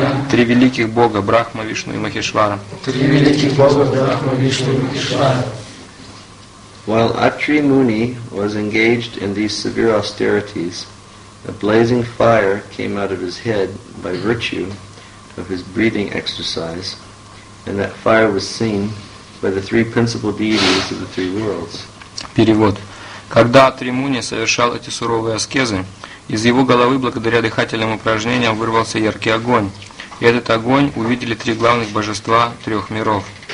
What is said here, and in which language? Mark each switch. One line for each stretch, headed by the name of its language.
Russian: три великих бога, Брахма, Вишну и Махешвара. Три великих бога, Брахма, Вишну и Махешвара.
English: While Atri Muni was engaged in these severe austerities, a blazing fire came out of his head by virtue of his breathing exercise, and that fire was seen by the three principal deities of the three worlds.
Russian: Перевод. Когда Атри Муни совершал эти суровые аскезы, из его головы благодаря дыхательным упражнениям вырвался яркий огонь, и этот огонь увидели три главных божества трех миров.